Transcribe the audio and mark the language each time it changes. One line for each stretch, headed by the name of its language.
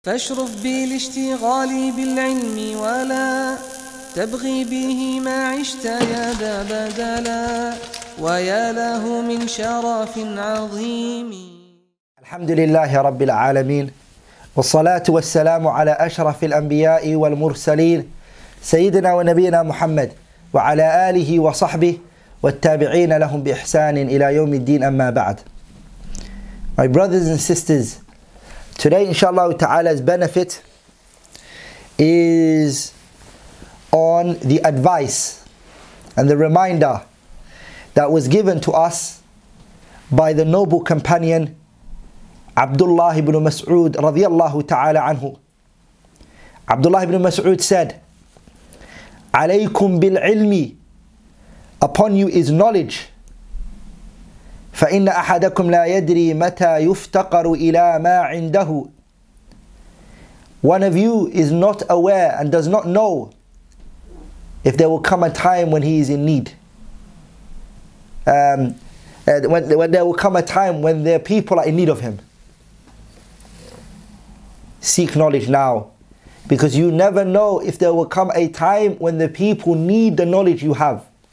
Arabic: فاشرف بي لاشتغالي بالعلم ولا تبغي به ما عشت يا ذا بدلا ويا له من شرف عظيم. الحمد لله رب العالمين، والصلاة والسلام على أشرف الأنبياء والمرسلين سيدنا ونبينا محمد وعلى آله وصحبه والتابعين لهم بإحسان إلى يوم الدين، أما بعد.
English: My brothers and sisters, today inshallah ta'ala's benefit is on the advice and the reminder that was given to us by the noble companion Abdullah ibn Mas'ud radiyallahu ta'ala anhu. Abdullah ibn Mas'ud said, عليكم بالعلم, upon you is knowledge.
Arabic: فإن أحدكم لا يدري متى يفتقر إلى ما عنده.
English: One of you is not aware and does not know if there will come a time when he is in need. When there will come a time when their people are in need of him. Seek knowledge now, because you never know if there will come a time when the people need the knowledge you have.